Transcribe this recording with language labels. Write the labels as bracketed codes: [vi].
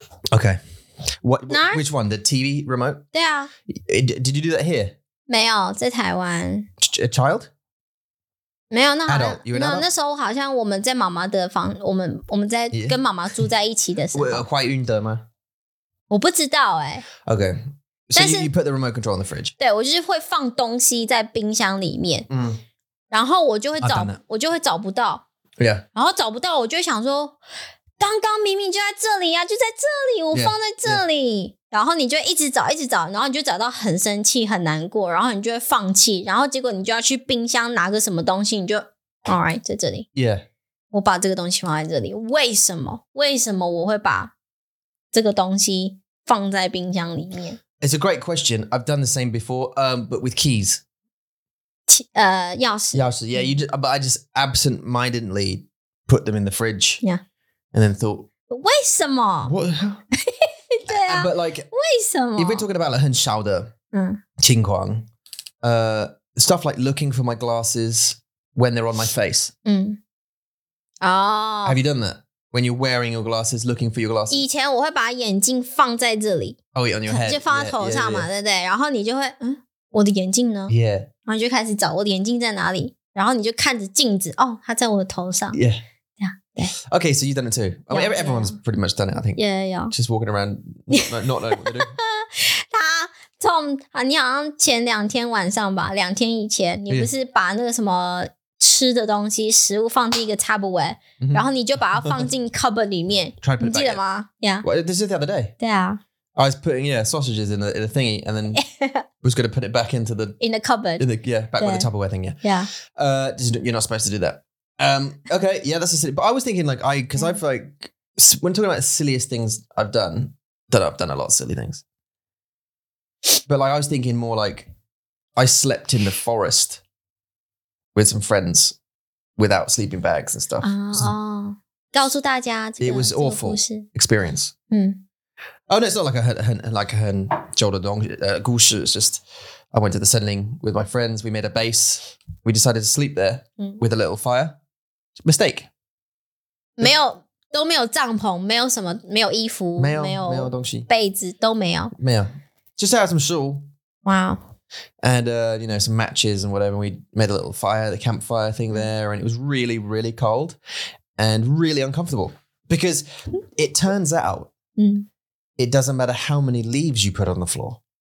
[en] Okay. What, which one? The TV remote? [zh] 对啊。 [en] Did you do that here? [zh] 没有，在台湾。 [en] A child? [zh] 没有，那好像 adult, 那时候好像我们在妈妈的房，我们在跟妈妈住在一起的时候，怀孕的吗？我不知道哎。 [en] Okay, so you put the remote control in the fridge. [zh] 对，我就是会放东西在冰箱里面，嗯，然后我就会找不到， [en] yeah. [zh] 然后找不到，我就想说，刚刚明明就在这里呀、啊，就在这里，我放在这里。 [en] Yeah, yeah. [zh] 然后你就一直找，一直找，然后你就找到很生气、很难过，然后你就会放弃，然后结果你就要去冰箱拿个什么东西，你就 ， [en] All right， [zh] 在这里。 [en] Yeah， [zh] 我把这个东西放在这里，为什么？为什么我会把这个东西放在冰箱里面 [en] ？It's a great question. I've done the same before, but with keys. [zh] 钥匙。钥匙 ，Yeah. [en] You just, but I just absentmindedly put them in the fridge. Yeah. And then thought. [zh] But 为什么 [en] ？What? But like, [zh] 为什么? [en] If we're talking about like [zh] 很小的情况, [en] stuff like looking for my glasses when they're on my face. Oh. Have you done that? When you're wearing your glasses, looking for your glasses? [zh] 以前我会把眼镜放在这里。 [en] Oh, yeah, on your head. [zh] 就放在头上嘛, 对不对? 然后你就会, 我的眼镜呢? [en] Yeah. [zh] 然后你就开始找我的眼镜在哪里。然后你就看着镜子, 哦, 它在我的头上。 [en] Yeah. Yeah. Okay, so you've done it too. Yeah, I mean, everyone's yeah. pretty much done it, I think. Yeah, yeah. Just walking around, not knowing what they're doing. [zh] 他从啊，你好像前两天晚上吧，两天以前，你不是把那个什么吃的东西、食物放进一个 tupperware、mm-hmm. 然后你就把它放进 cupboard 里面，你记得吗 ？Yeah. [en] Well, this is the other day. [zh] 对啊。 [en] I was putting yeah sausages in a thingy and then was going to put it back into the in the cupboard. In the, yeah, back with the tupperware thing. Yeah. Yeah. You're not supposed to do that. Okay, yeah, that's a silly, but I was thinking like, I've like, when talking about the silliest things I've done, that I've done a lot of silly things, but like, I was thinking more like, I slept in the forest with some friends without sleeping bags and stuff. [zh] Oh, 告诉大家这个, [en] it was awful experience. Oh, no, it's not like a [zh] 很久的东西, 故事, [en] it's just... I went to the settling with my friends. We made a base. We decided to sleep there with a little fire. Mistake. [zh] 没有都没有帐篷，没有什么，没有衣服，没有没有东西，被子都没有， [en] 没有 ，just had some shawl. Wow. And you know some matches and whatever. We made a little fire, the campfire thing there, and it was really really cold and really uncomfortable because it turns out it doesn't matter how many leaves you put on the floor.